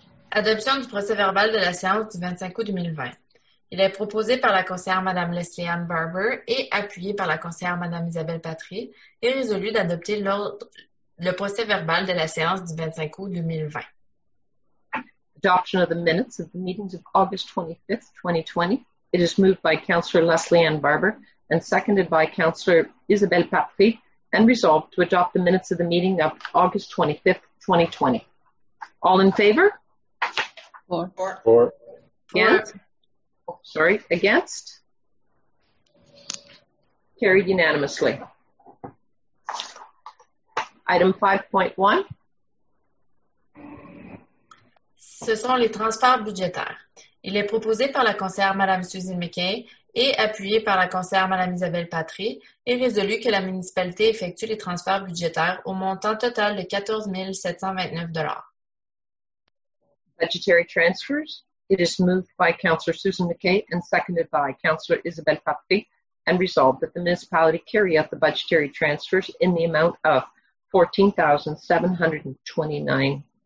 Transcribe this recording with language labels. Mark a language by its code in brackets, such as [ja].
[fr] Adoption du procès-verbal de la séance du 25 août 2020. Il est proposé par la conseillère Mme Leslie-Anne Barber et appuyé par la conseillère Mme Isabelle Patry et résolu d'adopter le procès-verbal de la séance du 25 août 2020. [en] Adoption of the minutes of the meetings of August 25th, 2020. It is moved by Councillor Leslie-Anne Barber and seconded by Councillor Isabelle Patry and resolved to adopt the minutes of the meeting of August 25th, 2020. All in favor? Four. Against? Against? Carried unanimously. Item 5.1. [fr] Ce sont les transferts budgétaires. Il est proposé par la conseillère Mme Suzanne McKay et appuyé par la conseillère Mme Isabelle Patry et résolu que la municipalité effectue les transferts budgétaires au montant total de 14 729 [en] Budgetary transfers. It is moved by Councillor Susan McKay and seconded by Councillor Isabelle Patry and resolved that the municipality carry out the budgetary transfers in the amount of $14,729.